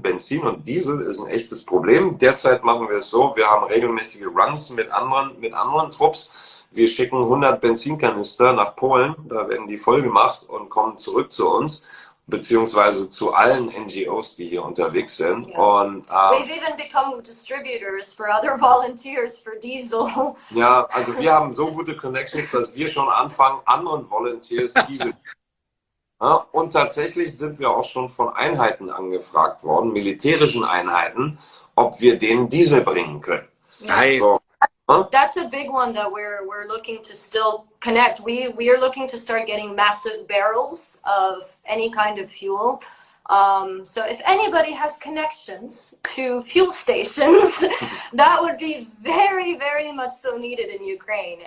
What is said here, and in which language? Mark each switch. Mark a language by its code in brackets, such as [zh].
[de] Benzin und Diesel ist ein echtes Problem. Derzeit machen wir es so, wir haben regelmäßige Runs mit anderen Trupps. Wir schicken 100 Benzinkanister nach Polen, da werden die vollgemacht und kommen zurück zu uns, beziehungsweise zu allen NGOs, die hier unterwegs sind. Yeah. Und, [en] we've even become distributors for other volunteers for Diesel. [de] Ja, also wir haben so gute Connections, dass wir schon anfangen, anderen Volunteers Diesel. Ja, und tatsächlich sind wir auch schon von Einheiten angefragt worden, militärischen Einheiten, ob wir denen Diesel bringen können. Nein. So. [en] That's a big one that we're looking to still connect. We are looking to start getting massive barrels of any kind of fuel. So if anybody has connections to fuel stations, that would be very, very much so needed in Ukraine.